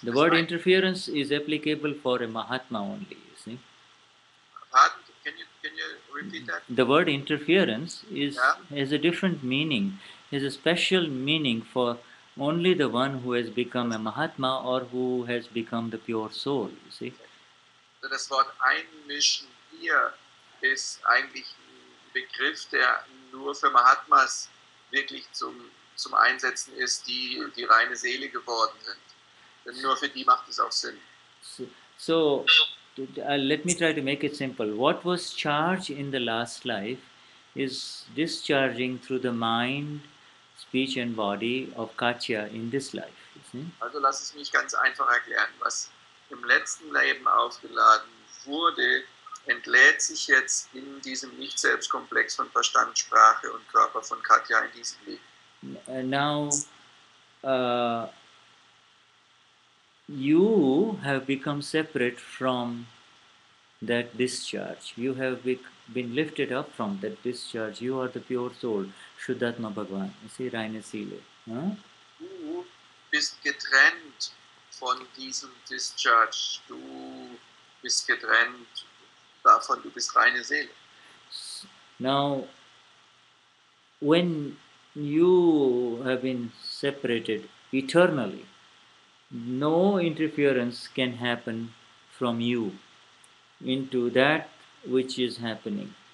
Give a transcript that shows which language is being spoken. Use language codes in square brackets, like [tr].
[en] the word interference is applicable for a Mahatma only, you see. Can you repeat that? The word interference is has a different meaning, has a special meaning for only the one who has become a Mahatma or who has become the pure soul, you see. [de] So das Wort einmischen hier ist eigentlich ein Begriff, der nur für Mahatmas wirklich zum Einsetzen ist, die reine Seele geworden sind. Denn nur für die macht es auch Sinn. [en] So, let me try to make it simple. What was charged in the last life is discharging through the mind, speech and body of Katya in this life. [de] Also lass es mich ganz einfach erklären, was im letzten Leben aufgeladen wurde, entlädt sich jetzt in diesem Nicht-Selbst-Komplex von Verstand, Sprache und Körper von Katja in diesem Leben. [en] Now, you have become separate from that discharge. You have been lifted up from that discharge. You are the pure soul, Shuddhatma Bhagwan. You see, [de] reine Seele. [en] Huh? [de] Du bist getrennt von diesem Discharge. Du bist getrennt davon, du bist reine Seele. [en] Now, when you have been separated eternally, no interference can happen from you into that which is happening.